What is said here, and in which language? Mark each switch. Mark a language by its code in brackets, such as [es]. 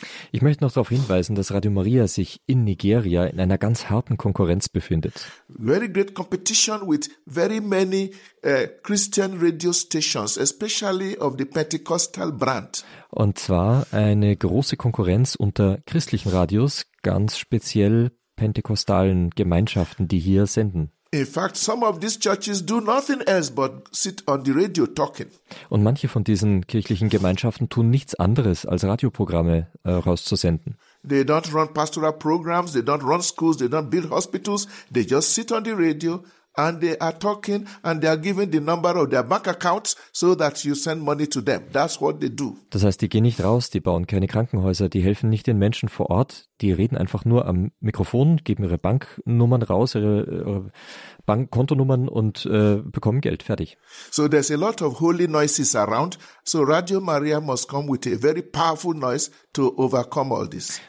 [de] Ich möchte noch darauf hinweisen, dass Radio Maria sich in Nigeria in einer ganz harten Konkurrenz befindet. [en] Very great competition with very many Christian radio stations, especially of the Pentecostal brand. [de] Und zwar eine große Konkurrenz unter christlichen Radios, ganz speziell pentekostalen Gemeinschaften, die hier senden. [en] In fact, some of these churches do nothing else but sit on the radio talking. [de] Und manche von diesen kirchlichen Gemeinschaften tun nichts anderes, als Radioprogramme rauszusenden. [en] They don't run pastoral programs, they don't run schools, they don't build hospitals, they just sit on the radio And they are talking and they are giving the number of their bank accounts so that you send money to them. That's what they do. [de] Das heißt, die gehen nicht raus, die bauen keine Krankenhäuser, die helfen nicht den Menschen vor Ort, die reden einfach nur am Mikrofon, geben ihre Banknummern raus, ihre Bankkontonummern und bekommen Geld, fertig. [en] So there's a lot of holy noises around, so Radio Maria must come with a very powerful noise to overcome all this.